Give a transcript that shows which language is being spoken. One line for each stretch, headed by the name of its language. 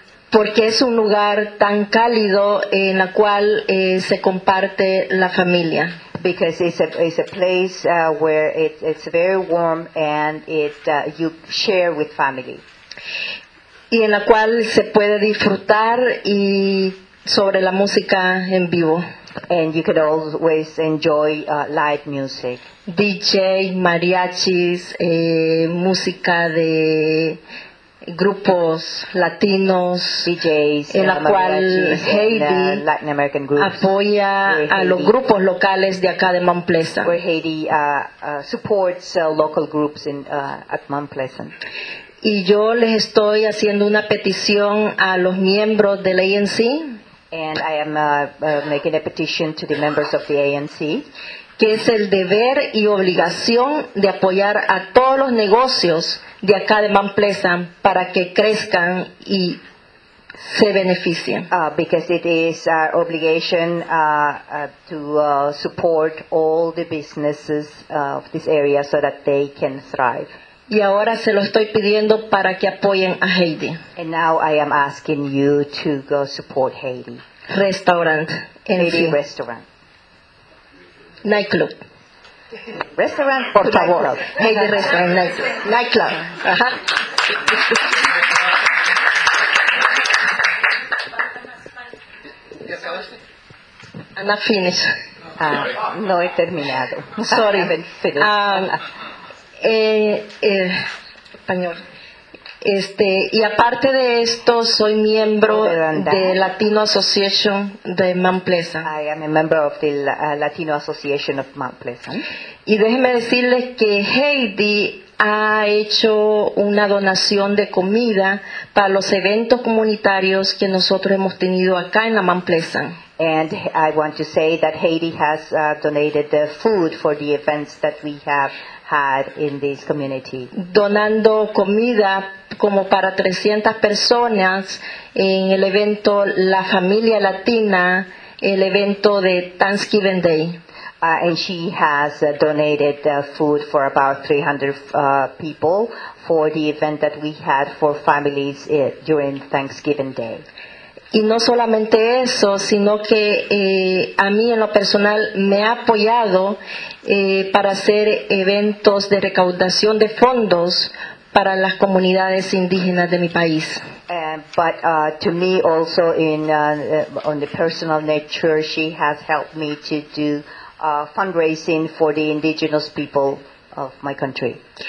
Spanish: Porque es un lugar tan cálido en la cual se comparte la familia.
English: Because it's a place where it's very warm and it you share with family.
Spanish: Y en la cual se puede disfrutar y sobre la música en vivo.
English: And you could always enjoy live music.
Spanish: DJ, mariachis, música de grupos latinos.
English: DJs,
Spanish: en la cual Heidi
English: Latin American groups,
Spanish: apoya Haiti, a los grupos locales de acá de Mount Pleasant.
English: Where Heidi supports local groups in at Mount Pleasant.
Spanish: Y yo les estoy haciendo una petición a los miembros del ANC.
English: And I am making a petition to the members of the ANC.
Spanish: Que es el deber y obligación de apoyar a todos los negocios de acá de Mount Pleasant para que crezcan y se beneficien.
English: Because it is our obligation to support all the businesses of this area so that they can thrive.
Spanish: Y ahora se lo estoy pidiendo para que apoyen a Heidi.
English: And now I am asking you to go support Heidi. Restaurant. Heidi restaurant. Nightclub.
Spanish: Restaurant, por favor.
English: Heidi restaurant, nightclub. Nightclub. Ajá. I'm not finished.
Spanish: No he terminado.
English: Sorry. I haven't finished.
Spanish: Español. Y aparte de esto, soy miembro de Latino Association de Mount Pleasant.
English: I am a member of the Latino Association of Mount Pleasant.
Spanish: Y déjenme decirles que Heidi ha hecho una donación de comida para los eventos comunitarios que nosotros hemos tenido acá en la Mount Pleasant.
English: And I want to say that Heidi has donated the food for the events that we have had in this community.
Spanish: Donando comida como para 300 personas en el evento La Familia Latina, el evento de Thanksgiving Day.
English: And she has donated food for about 300 people for the event that we had for families during Thanksgiving Day.
Spanish: Y no solamente eso, sino que a mí en lo personal me ha apoyado para hacer eventos de recaudación de fondos para las comunidades indígenas de mi país.
English: But to me also in on the personal nature, she has helped me to do fundraising for the indigenous people of my country.